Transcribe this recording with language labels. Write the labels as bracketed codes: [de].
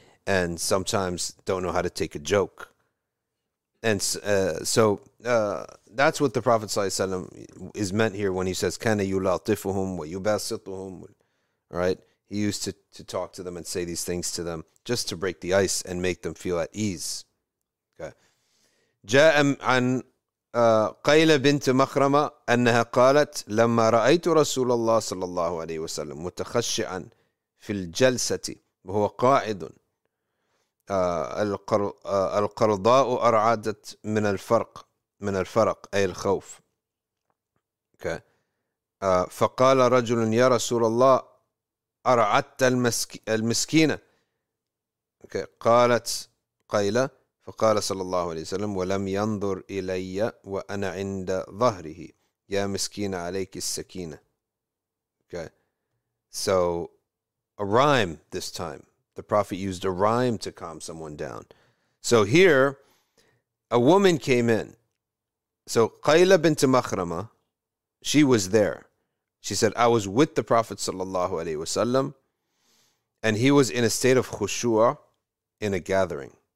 [en] And sometimes don't know how to take a joke. And so that's what the Prophet ﷺ is meant here when he says, [ar] "Kana yulatifuhum wa yubasituhum," [en] right? He used to talk to them and say these things to them just to break the ice and make them feel at ease. Okay. [ar] جاء عن قيل بنت مخرمة أنها قالت لما رأيت رسول الله صلى الله عليه وسلم متخشعا في الجلسة وهو قاعد القرضاء أرعدت من الفرق من الفرق أي الخوف. فقال رجل يا رسول الله أرعدت المسكينة؟ قالت قيلة. فقال صلى الله عليه وسلم ولم ينظر إلي وأنا عند ظهره يا مسكينة عليك السكينة. [en] So a rhyme this time. The prophet used a rhyme to calm someone down. So here, a woman came in. So Qayla bint Makhrama, she was there. She said, I was with the prophet sallallahu alayhi wa sallam, and he was in a state of khushu' in a gathering.